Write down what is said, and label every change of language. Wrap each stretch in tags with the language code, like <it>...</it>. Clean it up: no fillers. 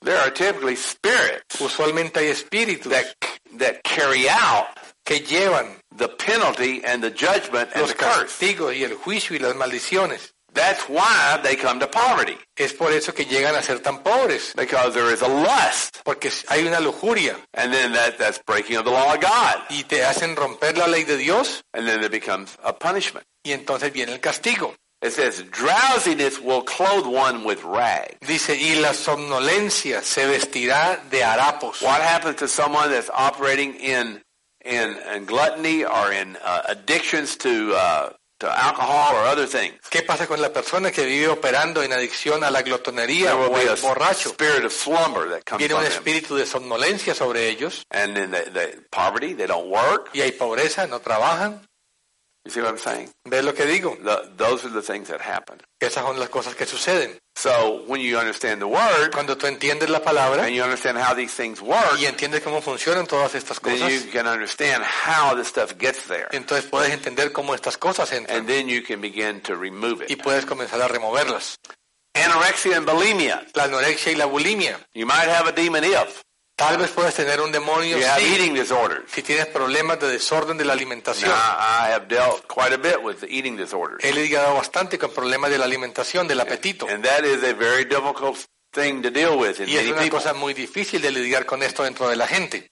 <en>there are typically spirits.</en> <es>Usualmente hay espíritus</es> <en>that carry out</en> <es>que llevan</es> <en>the penalty and the judgment and</en> <es>los castigos</es> <en>curse.</en> <es>Y el juicio y las maldiciones.</es> <en>That's why they come to poverty.</en> <es>Es por eso que llegan a ser tan pobres.</es> <en>Because there is a lust.</en> <es>Porque hay una lujuria.</es> <en>And then that's breaking of the law of God.</en> <es>Y te hacen romper la ley de Dios.</es> <en>And then it becomes a punishment.</en> <es>Y entonces viene el castigo.</es> <en>It says, drowsiness will clothe one with rags.</en> <es>Dice, y la somnolencia se vestirá de harapos.</es> <en>What happens to someone that's operating in gluttony or in addictions to alcohol or other things.</en> <es>¿Qué pasa con la persona que vive operando en adicción a la glotonería o al borracho?</es> <en>Spirit of slumber that comes</en> <es>viene un espíritu de somnolencia sobre ellos.</es> <en>And in the poverty, they don't work.</en> <es>Y hay pobreza, no trabajan.</es> <en>You see what I'm saying?</en> <es>¿Ves lo que digo?</es> <en>Those are the things that happen.</en> <es>Esas son las cosas que suceden.</es> <en>So when you understand the word,</en> <es>cuando tú entiendes la palabra,</es> <en>and you understand how these things work,</en> <es>y entiendes cómo funcionan todas estas cosas,</es> <en>then you can understand how this stuff gets there.</en> <es>Entonces puedes entender cómo estas cosas entran.</es> <en>And then you can begin to remove it.</en> <es>Y puedes comenzar a removerlas.</es> <en>Anorexia and bulimia.</en> <es>La anorexia y la bulimia.</es> <en>You might have a demon if.</en> <es>Tal vez puedes tener un demonio</es> <en>you</en> <es>si,</es> <en>have eating disorders.</en> <es>Si tienes problemas de desorden de la alimentación.</es> <en>Now, I have dealt quite a bit with the eating disorders.</en> <es>He lidiado bastante con problemas del alimentación, del apetito.</es> <en>And that is a very difficult thing to deal with in</en> <es>y es</es> <en>many</en> <es>una</es> <en>people.</en> <es>Cosa muy difícil de lidiar con esto dentro de la gente.</es>